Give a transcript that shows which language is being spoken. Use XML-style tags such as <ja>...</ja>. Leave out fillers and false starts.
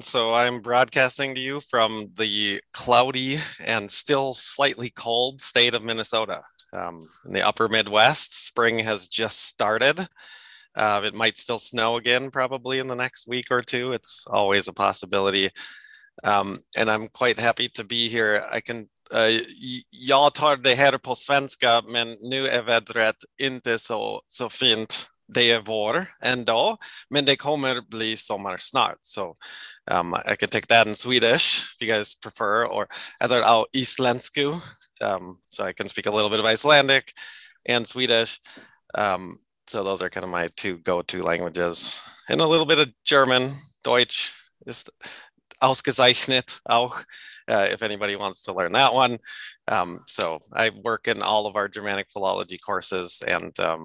<en>So I'm broadcasting to you from the cloudy and still slightly cold state of Minnesota. In the upper Midwest, spring has just started. It might still snow again, probably in the next week or two. It's always a possibility. And I'm quite happy to be here. I can,</en> <sv>jag tar det här på svenska, men nu är vädret inte så fint. Det är vår ändå, men det kommer bli sommar snart.</sv> <en>So I can take that in Swedish, if you guys prefer, or either out isländsku, so I can speak a little bit of Icelandic and Swedish. So those are kind of my two go-to languages. And a little bit of German,</en> <de>Deutsch, ist ausgezeichnet auch,</de> <en>if anybody wants to learn that one. So I work in all of our Germanic philology courses, and</en>